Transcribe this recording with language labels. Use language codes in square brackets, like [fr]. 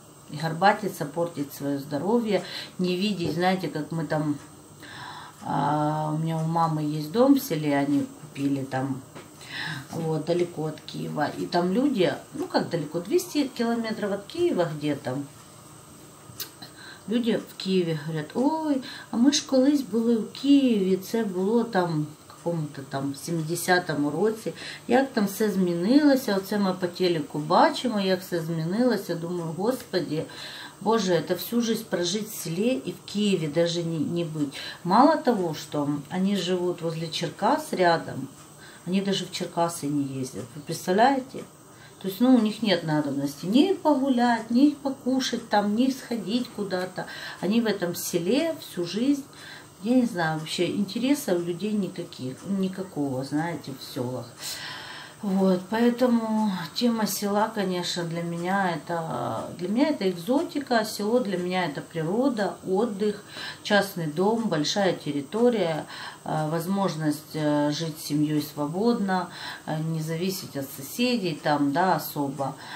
[ru] И горбатиться, портить свое здоровье, не видеть, знаете, как мы там... У меня у мамы есть дом в селе, они купили там, вот, далеко от Киева. И там люди, ну как далеко, 200 километров от Киева где-то. Люди в Киеве говорят, ой, а мы ж [uk] колись були в Києві, це було там... [ru] какому-то там [uk] 70-му році, як там все змінилося, оце ми по телеку бачимо, як все змінилося, думаю, Господи, Боже, це всю життя прожити в селі і в Києві, навіть не бути. Мало того, що вони живуть возле Черкас рядом, вони навіть в Черкаси не їздять, ви представляєте? Тобто, ну, у них нет надобності ні погуляти, ні покушати там, ні сходити куди-то. Вони в цьому селі всю життя. [ru] Я не знаю, вообще интереса у людей никаких, никакого, знаете, в селах. Вот, поэтому тема села, конечно, для меня это экзотика, село для меня это природа, отдых, частный дом, большая территория, возможность жить с семьей свободно, не зависеть от соседей там, да, особо.